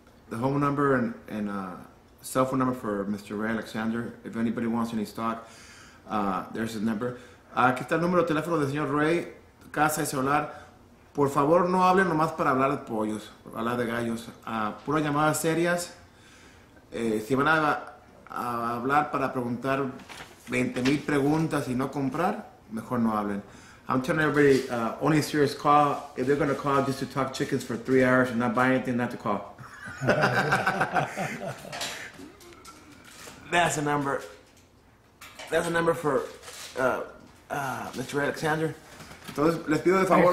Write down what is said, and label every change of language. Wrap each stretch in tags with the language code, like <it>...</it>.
<en>the home number and cell phone number for Mr. Ray Alexander. If anybody wants any stock, there's his number.</en> <es>Aquí está el número de teléfono del señor Ray, casa y celular. Por favor, no hablen nomás para hablar de pollos, para hablar de gallos. Puras llamadas serias. Si van a hablar para preguntar 20,000 preguntas y no comprar, mejor no hablen.</es> <en>I'm telling everybody, only a serious call. If they're going to call just to talk chickens for 3 hours and not buy anything, not to call. That's a number. That's a number for Mr. Alexander.</en> <es>Entonces, les pido de favor.</es>